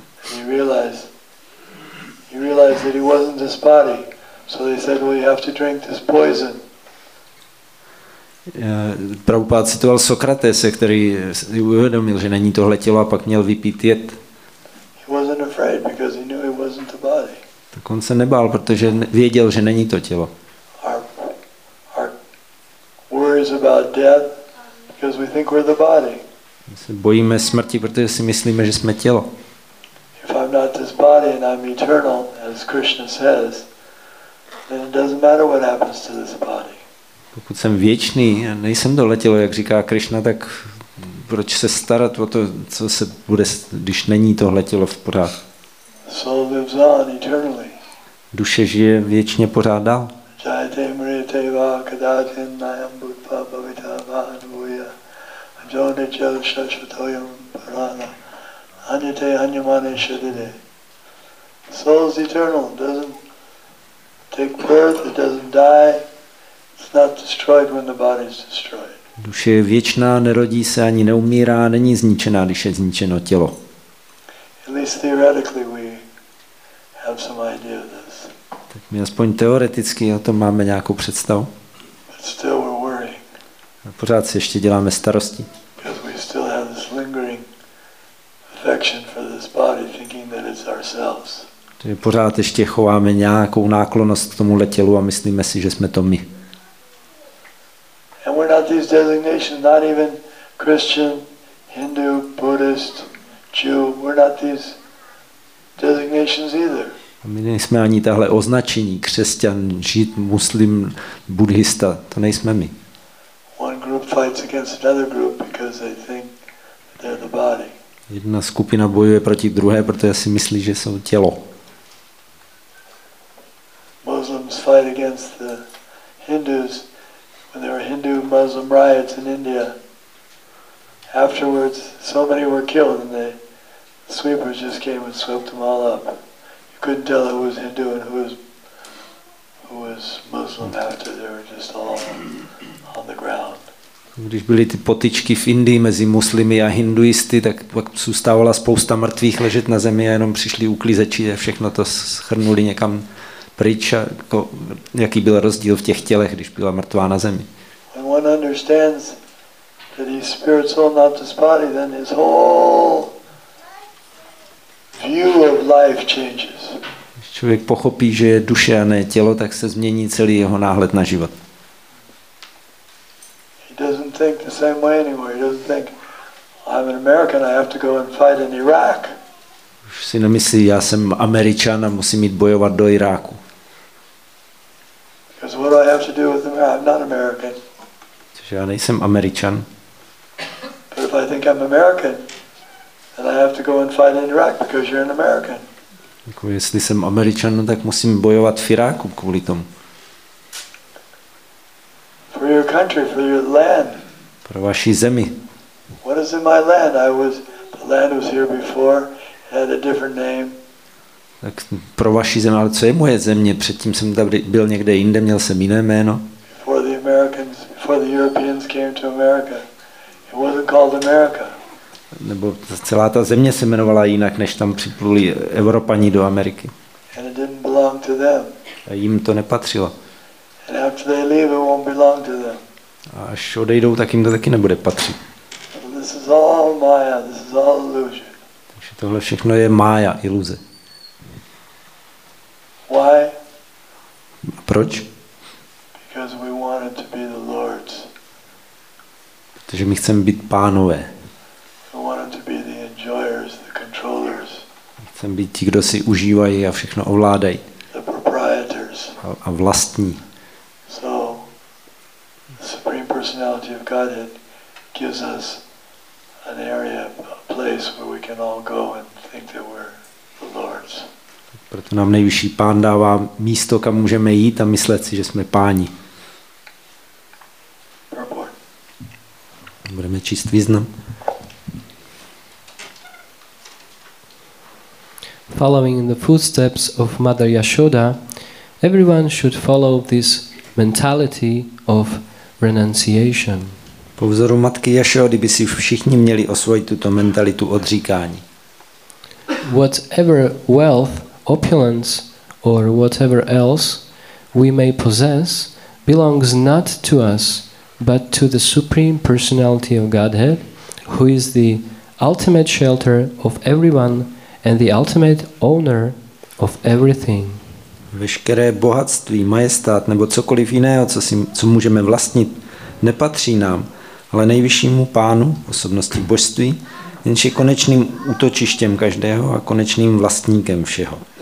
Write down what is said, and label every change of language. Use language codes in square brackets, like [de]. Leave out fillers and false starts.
[en] And he realized that he wasn't this body. So they said, well, you have to drink this poison. [cs] Prabhupád citoval Sokratese, který si uvědomil, že není tohle tělo, a pak měl vypít jed. [en] He wasn't afraid because he knew it wasn't the body. [cs] Tak on se nebál, protože věděl, že není to tělo. [en] Our worries about death because we think we're the body. [cs] My se bojíme smrti, protože si myslíme, že jsme tělo. [en] If I'm not this body and I'm eternal, as Krishna says, then it doesn't matter what happens to this body. [cs] Pokud jsem věčný a nejsem to letělo, jak říká Krishna, tak proč se starat o to, co se bude, když není to letělo v pořád? [en] Soul lives on eternally. [cs] Duše žije věčně pořád dál. [sa] Jayate mrite va kadatin nayam bhutva bhavita va anvuya ajone chal shashvatoyam parana anyate anyamane shadide. [en] Soul is eternal, it doesn't take birth, it doesn't die. It's not destroyed when the body is destroyed. [cs] Duše je věčná, nerodí se ani neumírá, není zničená, když je zničeno tělo. [en] At least theoretically we have some idea of this. [cs] Tak my aspoň teoreticky o tom máme nějakou představu. [en] But still we're worrying. [cs] A pořád si ještě děláme starosti. [en] Because we still have this lingering affection for this body, thinking that it's ourselves. [cs] Takže pořád ještě chováme nějakou náklonost k tomuhle tělu a myslíme si, že jsme to my. [en] And we're not these designations, not even Christian, Hindu, Buddhist, Jew. We're not these designations either. [cs] My nejsme ani tahle označení, křesťan, žid, muslim, buddhista, to nejsme my. [en] One group fights against another group because they think they're the body. [cs] Jedna skupina bojuje proti druhé, protože si myslí, že jsou tělo. [en] Muslims fight against the Hindus. When there were Hindu-Muslim riots in India, afterwards so many were killed and the sweepers just came and swept them all up. You couldn't tell who was Hindu and who was Muslim after they were just all on the ground. [cs] Když byly ty potyčky v Indii mezi muslimy a hinduisty, tak pak zůstávala spousta mrtvých ležet na zemi a jenom přišli uklízeči a všechno to shrnuli někam pryč, jako, jaký byl rozdíl v těch tělech, když byla mrtvá na zemi. [en] When one understands that he's spirit soul, not this body, then his whole view of life changes. [cs] Když člověk pochopí, že je duše a ne tělo, tak se změní celý jeho náhled na život. [en] He doesn't think the same way anymore. He doesn't think, I'm an American, I have to go and fight in Iraq. [cs] Už si nemyslí, já jsem Američan a musím jít bojovat do Iráku. [en] Because what do I have to do with America? I'm not American. [cs] Cože, já nejsem Američan. [en] But if I think I'm American, then I have to go and fight in Iraq because you're an American. [cs] Jako jestli jsem Američan, no, tak musím bojovat v Iráku kvůli tomu. [en] For your country, for your land. [cs] Pro vaši zemi. [en] What is in my land? The land was here before. Had a different name. [cs] Tak pro vaši zem, ale co je moje země? Předtím jsem tady byl někde jinde, měl jsem jiné jméno. [en] Before the Americans, before the Europeans came to America, it wasn't called America. [cs] Nebo celá ta země se jmenovala jinak, než tam připluli Evropani do Ameriky. [en] And it didn't belong to them. [cs] A jim to nepatřilo. [en] And after they leave, it won't belong to them. [cs] A až odejdou, tak jim to taky nebude patřit. [en] But this is all Maya, this is all illusion. [cs] Tohle všechno je mája, iluze. [en] Why? [cs] Proč? [en] Because we wanted to be the lords. [cs] Protože my chceme být pánové. [en] We wanted to be the enjoyers, the controllers. [cs] Chceme být ti, kdo si užívají a všechno ovládají. [en] The proprietors. [cs] A vlastní. [en] So, the Supreme Personality of Godhead gives us an area, a place where we can all go and think that we're the lords. [cs] Proto nám nejvyšší pán dává místo, kam můžeme jít a myslet si, že jsme páni. [en] Purport. [cs] Budeme číst význam. [en] Following in the footsteps of Mother Yashoda, everyone should follow this mentality of renunciation. [cs] Po vzoru matky Jašody by si všichni měli osvojit tuto mentalitu odříkání. [en] whatever wealth, opulence, or whatever else we may possess belongs not to us, but to the Supreme Personality of Godhead, who is the ultimate shelter of everyone and the ultimate owner of everything. [cs] Veškeré bohatství, majestát nebo cokoliv jiného, co můžeme vlastnit, nepatří nám, ale nejvyššímu pánu, osobnosti božství, jenž je konečným útočištěm každého a konečným vlastníkem všeho.